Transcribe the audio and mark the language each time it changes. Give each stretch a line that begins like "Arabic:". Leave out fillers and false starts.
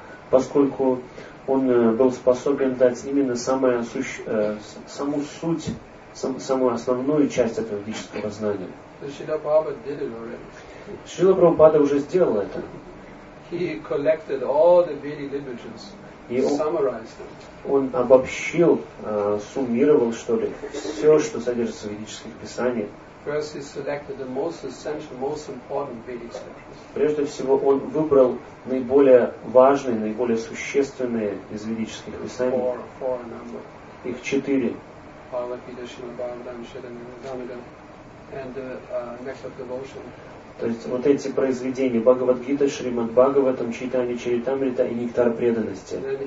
Russian: Поскольку он был способен дать именно саму суть, самую основную часть этого ведического знания.
English: Шрила Прабхупада did it already.
Russian: Шрила Прабхупада уже сделал это.
English: He collected all the Vedic literatures, summarized them.
Russian: Он обобщил, суммировал, что ли, все, что содержится в ведических писаниях.
English: First he selected the most essential, most important Vedic scriptures.
Russian: Прежде всего, он выбрал наиболее важные, наиболее существенные из ведических писаний.
English: Four number.
Russian: Их четыре. То есть вот эти произведения Бхагавад-гита, Шримад-Бхагаватам, Чайтанья Чаритамрита и Нектар преданности.